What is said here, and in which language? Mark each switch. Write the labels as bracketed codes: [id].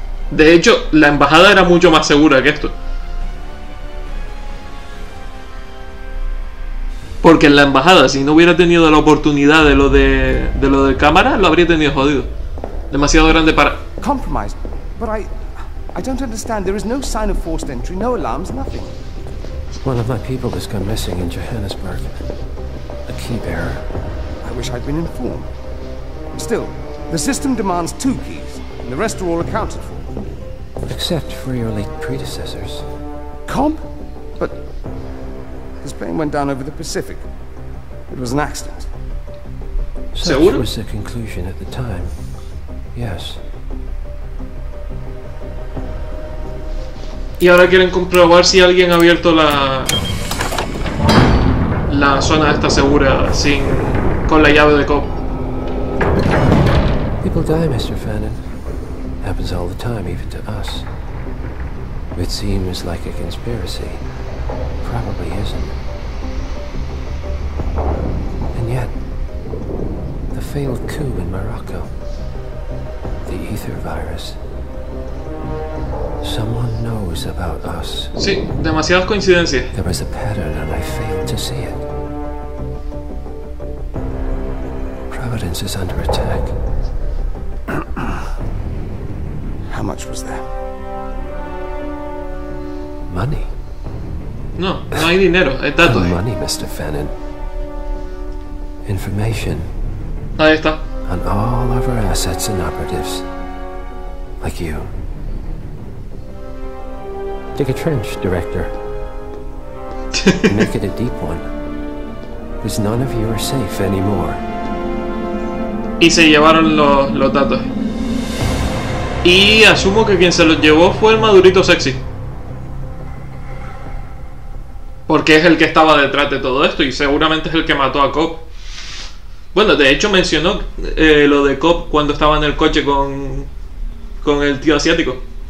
[es] De hecho, la embajada era mucho más segura que esto. Porque en la embajada, si no hubiera tenido la oportunidad de lo de cámara, lo habría tenido jodido. Demasiado grande para... [en] Compromise. But I don't understand. There is no sign of forced entry, no alarms, nothing. One of my people has gone missing in Johannesburg. A key bearer. I wish I'd been informed. Still, the system demands two keys, and the rest are all accounted for. Except for your late predecessors. Comp? But this plane went down over the Pacific. It was an accident. Such so was the conclusion at the time. Yes. [es] Y ahora quieren comprobar si alguien ha abierto la zona esta segura sin con la llave de Cobb. [en] People die, Mr. Fannin. Happens all the time, even to us. It seems like a conspiracy. Probably isn't. And yet, the failed coup in Morocco, the ether virus. Someone knows about us. [es] Sí, demasiadas coincidencias. [en] There was a pattern and I failed to see it. Providence is under attack. How much was that? Money. [es] No, no hay dinero, es dato. [en] Money, Mr. Fannin. Information. [es] Ahí está. [en] On all of our assets and operatives. Like you. Dig a trench, director. Make it a deep one. Because none of you are safe anymore. [es] Y se llevaron los datos. Y asumo que quien se los llevó fue el madurito sexy. Porque es el que estaba detrás de todo esto y seguramente es el que mató a Cobb. Bueno, de hecho mencionó lo de Cobb cuando estaba en el coche con el tío asiático.